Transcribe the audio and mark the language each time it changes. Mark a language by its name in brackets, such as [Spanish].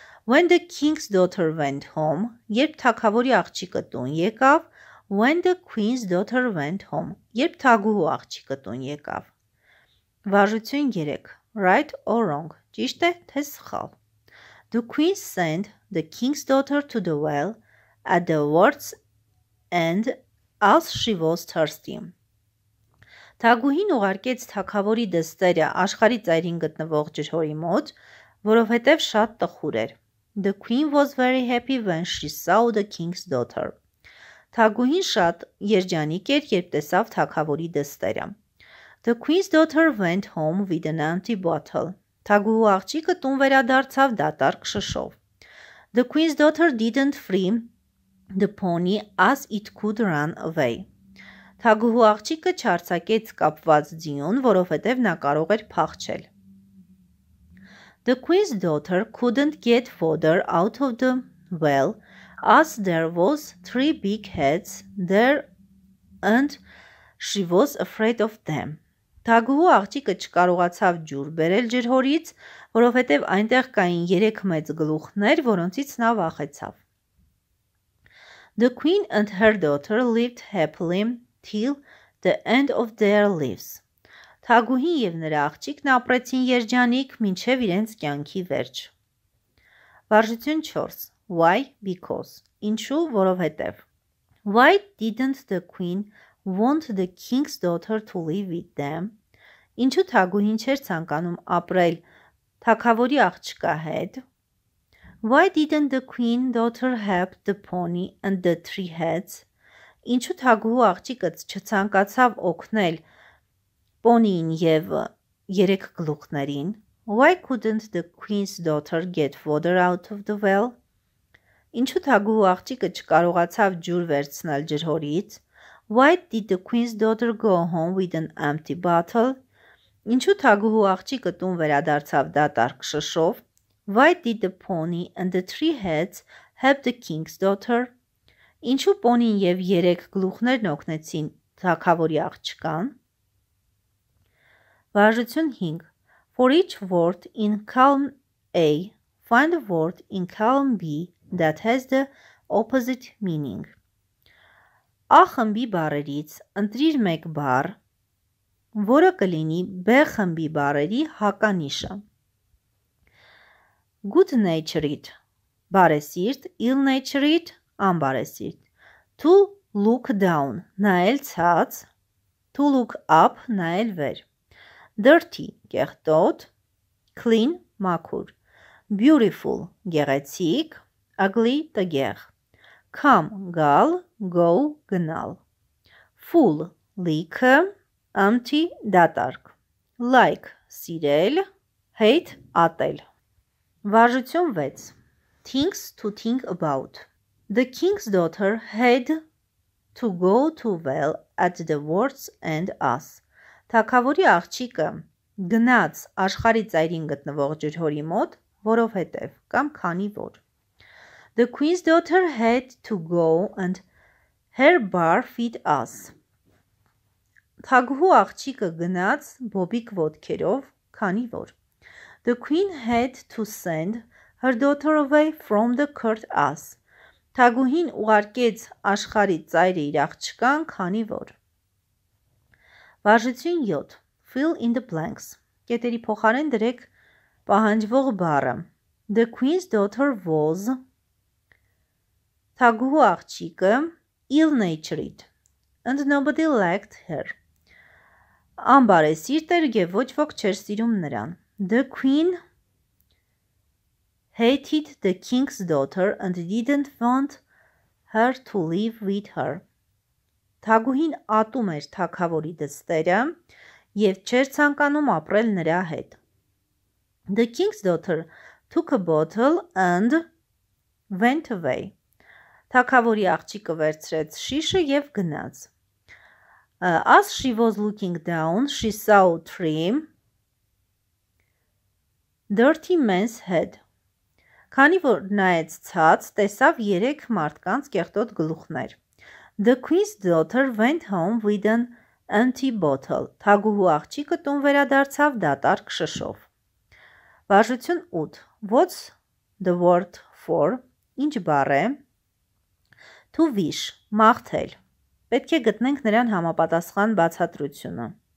[English] When the king's daughter went home, [Armenian] երբ թագավորի աղջիկը տուն եկավ. [English] When the queen's daughter went home, [Armenian] երբ թագուհու աղջիկը տուն եկավ. Վարժություն 3. [English] Right or wrong? [Armenian] Ճիշտ է, թե սխալ? [English] The queen sent the king's daughter to the well at the words and as she was thirsty. [Armenian] Թագուհին ուղարկեց թագավորի դստերը աշխարհի ծայրին գտնվող ջրհորի մոտ, որովհետև շատ տխուր էր. [English] The queen was very happy when she saw the king's daughter. [Armenian] Թագուհին շատ երջանիկ էր, երբ տեսավ թագավորի դստերը. [English] The queen's daughter went home with an empty bottle. [Armenian] Թագուհու աղջիկը տուն վերադարձավ դատարկ շշով. [English] The queen's daughter didn't free the pony as it could run away. [Armenian] Թագուհու աղջիկը չարցակեց կապված ձիուն, որովհետև նա կարող էր փախչել. [English] The queen's daughter couldn't get water out of the well as there was three big heads there and she was afraid of them. [Armenian] Թագուհու աղջիկը չկարողացավ ջուր բերել ջրհորից, որովհետև այնտեղ կային 3 մեծ գլուխներ, որոնցից նա վախեցավ. [English] The queen and her daughter lived happily till the end of their lives. [Armenian] Թագուհին եւ նրա աղջիկն ապրեցին երջանիկ, մինչև իրենց կյանքի վերջ. Վարժություն 4. [English] Why? Because. [Armenian] Ինչու, որովհետև. [English] Why didn't the queen want the king's daughter to live with them? [Armenian] Ինչու թագուհին չէր ցանկանում ապրել թագավորի աղջկա հետ? [English] Why didn't the queen daughter help the pony and the three heads? [Armenian] Ինչու թագուհու աղջիկը չցանկացավ օգնել պոնիին եւ 3 գլուխներին? [English] Why couldn't the queen's daughter get water out of the well? [Armenian] Ինչու թագուհու աղջիկը չկարողացավ ջուր վերցնել ջրհորից? [English] Why did the queen's daughter go home with an empty bottle? [Armenian] Ինչու թագուհու աղջիկը տուն վերադարձավ դատարկ շշով? [English] Why did the pony and the three heads help the king's daughter? [Armenian] Ինչու պոնին եւ 3 գլուխներն օգնեցին թագավորի աղջկան? Վարժություն 5. [English] For each word in column A, find a word in column B that has the opposite meaning. [Armenian] A խմբի բառերից ընտրիր 1 բառ, որը կլինի B խմբի բառերի հականիշը. [English] Good-natured բարեսիրտ, ill-natured անբարեսիրտ. To look down [Armenian] նայել ցած, [English] to look up [Armenian] նայել վեր. [English] Dirty կեղտոտ, clean մաքուր. Beautiful գեղեցիկ, ugly տգեղ. Come գալ, go գնալ. Full լիքը, empty դատարկ. Like սիրել, hate ատել. Վարժություն 6. Things to think about. The king's daughter had to go to well at the words and us. [Armenian] Թագավորի աղջիկը գնաց աշխարհի ծայրին գտնվող ջրհորի մոտ, որովհետև կամ քանի որ. [English] The queen's daughter had to go and her bar feed us. [Armenian] Թագուհու աղջիկը գնաց բոբիկ ոտքերով, քանի որ. [English] The queen had to send her daughter away from the court us. [Armenian] Թագուհին ուղարկեց աշխարհի ծայրը իր աղջկան, քանի որ. Վարժություն 7. [English] Fill in the blanks. [Armenian] Կետերի փոխարեն դրեք պահանջվող բառը. [English] The queen's daughter was. [Armenian] Թագուհու աղջիկը [English] ill-natured and nobody liked her. [Armenian] Անբարեսիրտ էր եւ ոչ ոք չէր սիրում նրան. [English] The queen hated the king's daughter and didn't want her to live with her. [Armenian] Թագուհին ատում էր թագավորի դստերը եւ չէր ցանկանում ապրել նրա հետ. [English] The king's daughter took a bottle and went away. [Armenian] Թագավորի աղջիկը վերցրեց շիշը եւ գնաց. [English] As she was looking down, she saw three dirty men's head. [Armenian] Քանի որ նայեց ցած, տեսավ 3 մարդկանց կեղտոտ գլուխներ. [English] The queen's daughter went home with an empty bottle. [Armenian] Թագուհու աղջիկը տուն վերադարձավ դատարկ շշով. [English] Վարժություն 8. What's the word for? [Armenian] Ինչ բառ է? [English] To wish. Մաղթել. [Armenian] Պետք է գտնենք նրան համապատասխան բացատրությունը.